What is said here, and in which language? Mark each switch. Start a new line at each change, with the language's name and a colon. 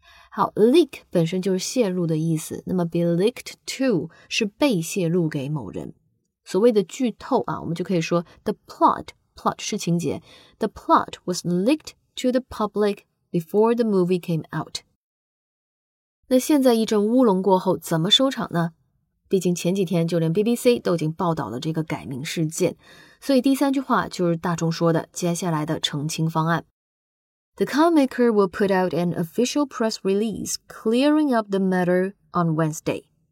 Chinese: 好 ，leak 本身就是泄露的意思，那么 be leaked to 是被泄露给某人。所谓的剧透啊，我们就可以说 the plot。
English: Plot 是情节 The plot was leaked to the public before the movie came out.
Chinese: 那现在一阵乌龙过后怎么收场呢？毕竟前几天就连 BBC 都已经报道了这个改名事件，所以第三句话就是大众说的接下来的澄清方案。
English: The carmaker will put out an official press release clearing up the matter on Wednesday.